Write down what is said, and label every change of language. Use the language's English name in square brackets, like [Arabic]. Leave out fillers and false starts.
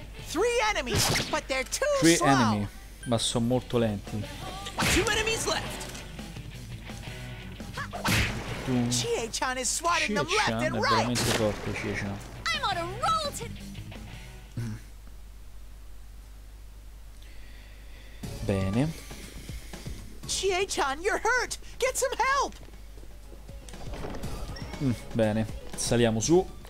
[English] Three enemies, but they're too slow. Three enemy, [Italian] ma sono molto lenti. [English] Two enemies left. Chie-chan is swatting them left and right. [Italian] È veramente forte, Chie-chan. [English] I'm on a roll to... [Italian] Bene. [English] Chie-chan, you're hurt. Get some help. [Italian] Bene. Saliamo su.